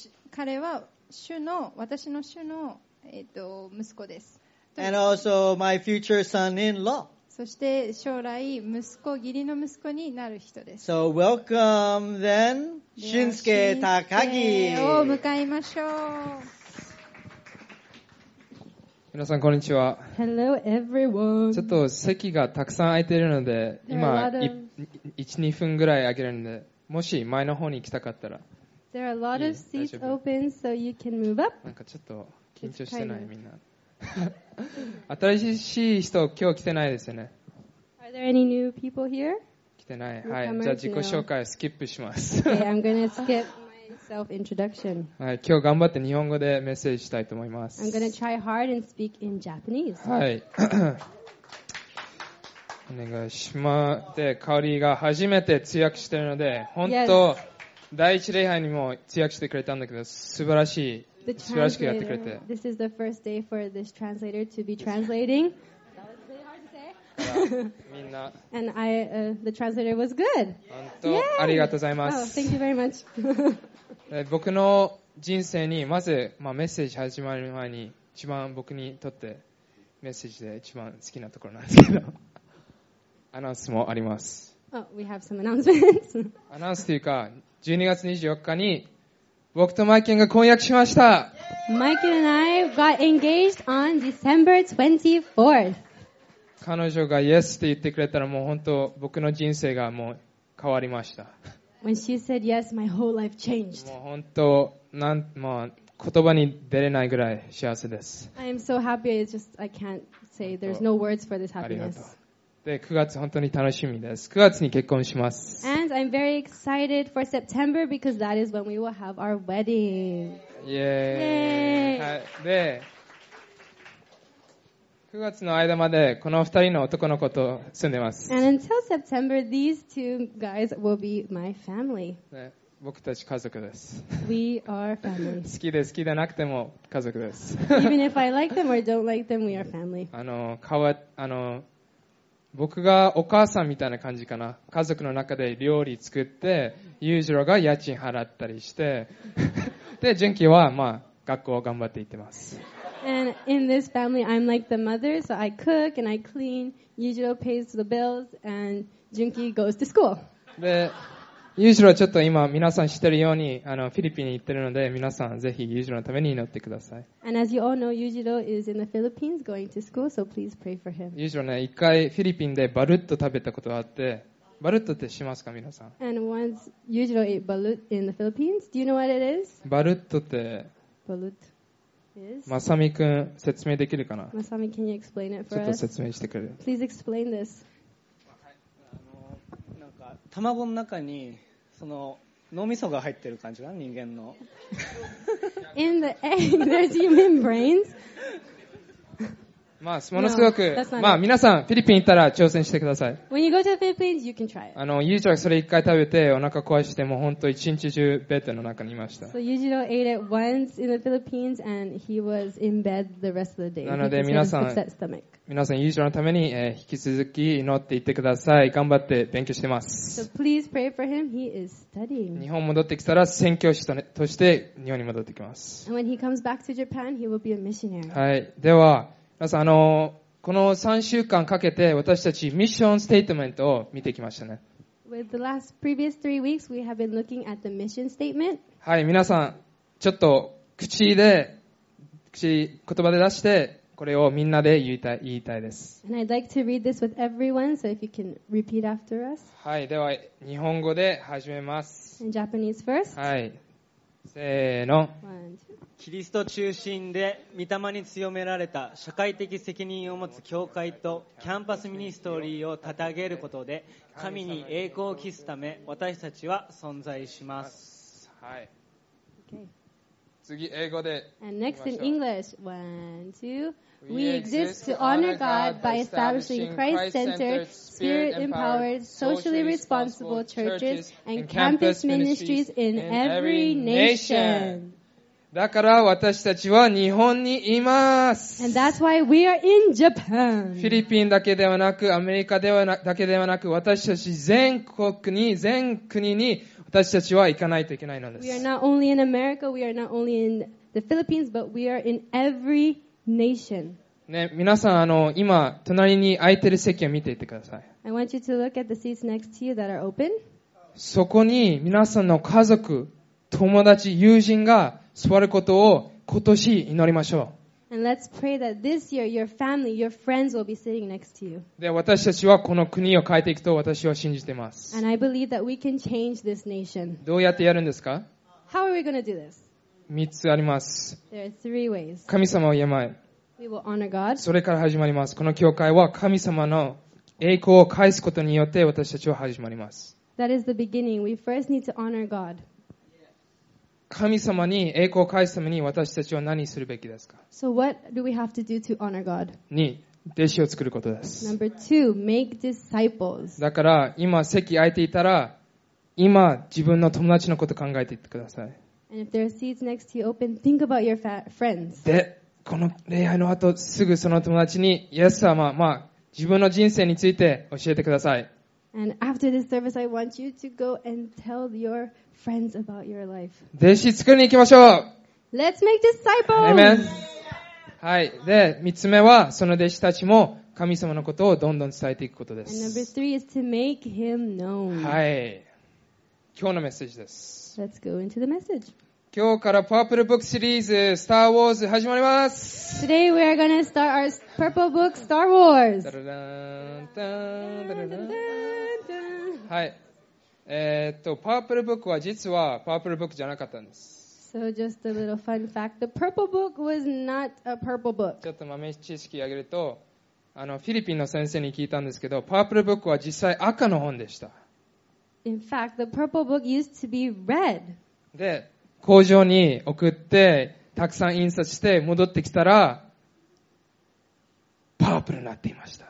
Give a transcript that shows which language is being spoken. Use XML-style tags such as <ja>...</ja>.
<ja>彼は主の私の主の息子です。</ja> <en>And also my future son-in-law.</en> <ja>そして将来息子義理の息子になる人です。</ja> <en>So welcome then, Shinsuke Takagi.</en> <ja>を迎えましょう。皆さんこんにちは。</ja> <en>Hello everyone.</en> <ja>ちょっと席がたくさん空いているので、今 1、2分ぐらい空けるので、もし前の方に行きたかったら。</ja> <en>There are a lot of seats open, so you can move up.</en> <ja>なんかちょっと緊張してないみんな。新しい人今日来てないですよね。</ja> <en>Are there any new people here?</en> <ja>来てない。はい。じゃあ自己紹介スキップします。</ja> <en>Okay, I'm gonna skip my self-introduction.</en> <ja>はい。今日頑張って日本語でメッセージしたいと思います。</ja> <en>I'm gonna try hard and speak in Japanese.</en> <ja>はい。お願いします。で、カオリが初めて通訳してるので、本当、</ja> <en>yes.</en> <ja>第一礼拝にも通訳してくれたんだけど、素晴らしい。素晴らしくやってくれて。</ja> <en>This is the first day for this translator to be translating. And I, the translator was good.</en> <ja>本当、ありがとうございます。</ja> <en>Oh, thank you very much.</en> <ja>僕の人生にまず、まあ、メッセージ始まる前に一番僕にとってメッセージで一番好きなところなんですけど、アナウンスもあります。</ja> <en>Oh, we have some announcements.</en> <ja>アナウンスというか、12月24日に。僕とマイケンが婚約しました。</ja> <en>マイケン and I got engaged on December 24th.</en> <ja>彼女が Yes って言ってくれたらもう本当僕の人生がもう変わりました。</ja> <en>When she said yes, my whole life changed.</en> <ja>もう本当なんまあ言葉に出れないぐらい幸せです。</ja> <en>I am so happy. It's just I can't say. There's no words for this happiness.</en> <ja>で9月本当に楽しみです。 9月に結婚します。</ja> <en>And I'm very excited for September because that is when we will have our wedding. Yay! Yay.</en> <ja>はい、で、9月の間までこの2人の男の子と住んでます。</ja> <en>And until September, these two guys will be my family.</en> <ja>僕たち家族です。</ja> <en>We are family.</en> <ja>好きで好きでなくても家族です。</ja> <en>Even if I like them or don't like them, we are family.</en> <ja>あの僕がお母さんみたいな感じかな。家族の中で料理作って、裕次郎が家賃払ったりして、で、純喜は、まあ、学校を頑張って行ってます。</ja> <en>And in this family, I'm like the mother, so I cook and I clean. 裕次郎 pays the bills and 純喜 goes to school.</en> <ja>で、裕次郎ちょっと今皆さん知ってるように、フィリピンに行ってるので、皆さんぜひ裕次郎のために祈ってください。</ja> <en>And as you all know, 裕次郎 is in the Philippines going to school, so please pray for him.</en> <ja>裕次郎ね、一回フィリピンでバルット食べたことがあって、バルットってしますか皆さん。</ja> <en>And once 裕次郎 ate バルット in the Philippines, do you know what it is?</en> <ja>バルットって、</ja> <en>バルット is?</en> <ja>まさみくん説明できるかな。</ja> <en>まさみ、can you explain it for us?</en> <ja>ちょっと説明してくれる。</ja> <en>Please explain this.</en> <ja>なんか、卵の中に、その脳みそが入ってる感じかな人間の。</ja> <en>In the egg, there's human brains.</en> <ja>まあものすごく、まあ皆さんフィリピン行ったら挑戦してください。</ja> <en>When you go to the Philippines, you can try it.</en> <ja>あのユージローそれ一回食べてお腹壊してもう本当一日中ベッドの中にいました。</ja> <en>So Yujiro ate it once in the Philippines and he was in bed the rest of the day.</en> <ja>なので皆さんユージローのために引き続き祈っていってください。頑張って勉強してます。</ja> <en>So please pray for him. He is studying.</en> <ja>日本戻ってきたら宣教師として日本に戻ってきます。</ja> <en>And when he comes back to Japan, he will be a missionary.</en> <ja>はい、では。皆さん、この3週間かけて私たちミッションステートメントを見てきましたね。</ja> <en>With the last previous three weeks, we have been looking at the mission statement.</en> <ja>はい、皆さん、ちょっと口で、言葉で出して、これをみんなで言いたいです。</ja> <en>And I'd like to read this with everyone, so if you can repeat after us.</en> <ja>はい、では、日本語で始めます。</ja> <en>In Japanese first.</en> <ja>はい。せーの。</ja> <en>One, two.</en> <ja>キリスト中心で御霊に強められた社会的責任を持つ教会とキャンパスミニストリーを立て上げることで神に栄光を期すため私たちは存在します。はい。次英語で。</ja> <en>And next in English, one, two. We exist to honor God by establishing Christ-centered, Spirit-empowered, socially responsible churches and campus ministries in every nation.</en> <ja>だから私たちは日本にいます。</ja> <en>And that's why we are in Japan.</en> <ja>フィリピンだけではなく、アメリカではなだけではなく、私たち全国に、全国に私たちは行かないといけないのです。</ja> <en>We are not only in America, we are not only in the Philippines, but we are in every nation.</en> <ja>ね、皆さん、今、隣に空いてる席を見ていてください。</ja> <en>I want you to look at the seats next to you that are open.</en> <ja>そこに皆さんの家族、友達、友人が座ることを今年祈りましょう。</ja> <en>And let's pray that this year your family, your friends will be sitting next to you.</en> <ja>で、私たちはこの国を変えていくと私は信じています。</ja> <en>And I believe that we can change this nation.</en> <ja>どうやってやるんですか？</ja> <en>How are we going to do this?</en> <ja>3つあります。</ja> <en>There are three ways.</en> <ja>神様を敬え。</ja> <en>We will honor God.</en> <ja>それから始まります。この教会は神様の栄光を返すことによって私たちは始まります。</ja> <en>That is the beginning. We first need to honor God.</en> <ja>神様に栄光を返すために私たちは何するべきですか？</ja> <en>So what do we have to do to honor God?</en> <ja>2. 弟子を作ることです。</ja> <en>Number 2. Make disciples.</en> <ja>だから今席空いていたら今自分の友達のことを考えていってください。</ja> <en>And if there are seats next to you open, think about your friends.</en> <ja>で、この礼拝の後すぐその友達に Yes, 様、まあ自分の人生について教えてください。</ja> <en>And after this service, I want you to go and tell your friends about your life.</en> <ja>弟子作りに行きましょう。</ja> <en>Let's make disciples.</en> <ja>Amen. はい。で、三つ目はその弟子たちも神様のことをどんどん伝えていくことです。</ja> <en>And number three is to make him known.</en> <ja>はい。今日のメッセージです。</ja> <en>Let's go into the message.</en> <ja>今日から Purple Book Series Star Wars 始まります。</ja> <en>Today we are gonna start our Purple Book Star Wars.</en> <ja>ダダダンダダダン。はい。パープルブックは実はパープルブックじゃなかったんです。</ja> <en>So just a little fun fact. The purple book was not a purple book.</en> <ja>ちょっと豆知識あげると、フィリピンの先生に聞いたんですけど、パープルブックは実際赤の本でした。</ja> <en>In fact, the purple book used to be red.</en> <ja>で、工場に送って、たくさん印刷して戻ってきたら、パープルになっていました。</ja>